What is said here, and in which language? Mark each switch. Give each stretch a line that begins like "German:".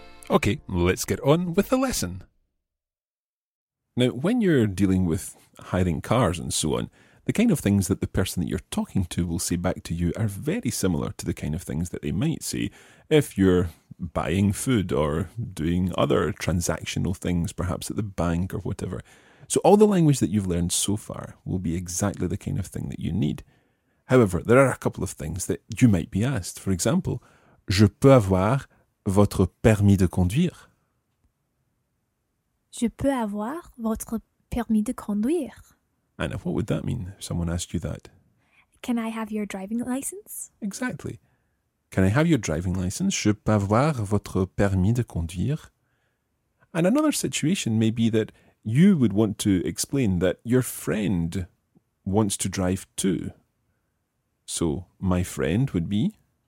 English: Okay, let's get on with the lesson. Now, when you're dealing with hiring cars and so on, the kind of things that the person that you're talking to will say back to you are very similar to the kind of things that they might say if you're buying food or doing other transactional things, perhaps at the bank or whatever. So all the language that you've learned so far will be exactly the kind of thing that you need. However, there are a couple of things that you might be asked.
French: For example, je peux avoir votre permis de conduire. Je peux avoir votre permis de conduire.
English: Anna, what would that mean if someone asked you that? Can I have your driving license? Exactly. Can I have your driving license?
French: Je peux avoir votre permis de conduire.
English: And another situation may be that you would want to explain that your friend wants to drive too. So, my friend would be?